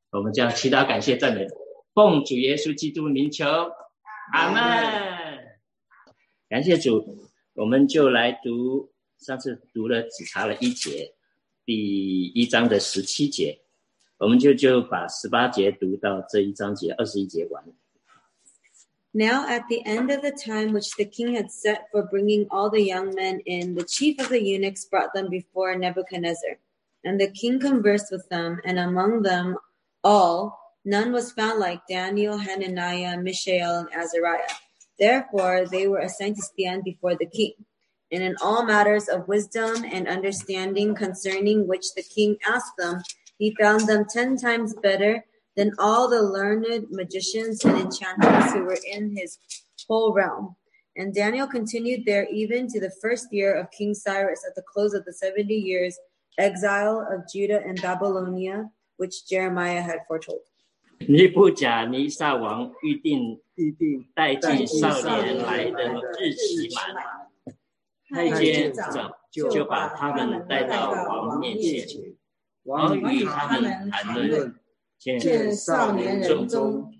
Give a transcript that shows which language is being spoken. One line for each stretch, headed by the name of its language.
Chinese: 我们将祈祷、感谢、赞美，奉主耶稣基督名求，阿门。感谢主，我们就来读上次读了只查了一节，第一章的17节，我们就把18节读到这一章节21节完。
English: Now at the end of the time which the king had set for bringing all the young men in, the chief of the eunuchs brought them before Nebuchadnezzar, and the king conversed with them, and among them all none was found like Daniel, Hananiah, Mishael, and Azariah. Therefore, they were assigned to stand before the king. And in all matters of wisdom and understanding concerning which the king asked them, he found them 10 times better than all the learned magicians and enchanters who were in his whole realm. And Daniel continued there even to the first year of King Cyrus at the close of the 70 years exile of Judah and Babylonia, which Jeremiah had foretold.
Chinese: 尼布甲尼撒王预定带进少年来的日期满了，太监早就把他们带到王面前，王与他们谈论，见少年人中